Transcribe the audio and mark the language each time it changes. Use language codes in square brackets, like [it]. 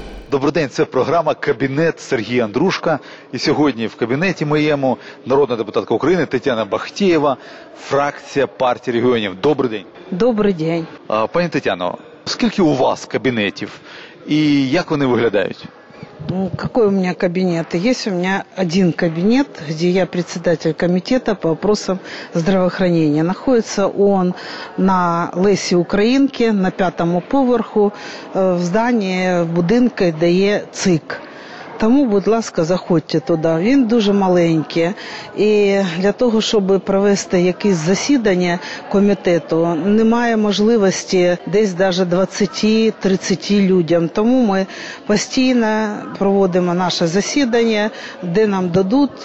[uk] Добрий день, це програма «Кабінет» Сергія Андрушка. І сьогодні в кабінеті моєму народна депутатка України Тетяна Бахтєєва, фракція партії регіонів. Добрий день. Добрий день. Пані Тетяно, скільки у вас кабінетів і як вони виглядають? [ru] Ну, какой у меня кабинет? Есть у меня один кабинет, где я председатель комитета по вопросам здравоохранения. Находится он на Лесі Українки, [uk] на 5-му поверху, [ru] в здании, в будинке, [uk] де є ЦИК. Тому, будь ласка, заходьте туди. Він дуже маленький. І для того, щоб провести якесь засідання комітету, немає можливості десь навіть 20-30 людям. Тому ми постійно проводимо наше засідання, де нам дадуть.